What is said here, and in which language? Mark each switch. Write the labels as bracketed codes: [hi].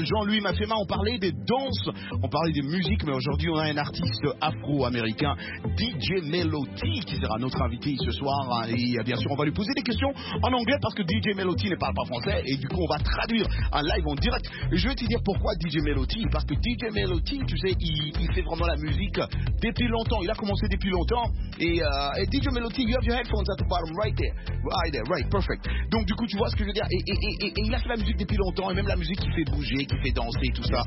[fr] Jean-Louis Mafema, on parlait des danses, on parlait des musiques, mais aujourd'hui on a un artiste afro-américain, DJ Melody, qui sera notre invité ce soir. Et bien sûr, on va lui poser des questions en anglais parce que DJ Melody ne parle pas français. Et du coup, on va traduire en live, en direct. Et je vais te dire pourquoi DJ Melody. Parce que DJ Melody, tu sais, il fait vraiment la musique depuis longtemps. Il a commencé depuis longtemps. Et [en] DJ Melody, you have your headphones at the bottom, right there. Right there, right, perfect. [fr] Donc du coup, tu vois ce que je veux dire. Et il a fait la musique depuis longtemps. Et même la musique qui fait bouger, qui fait danser, tout ça.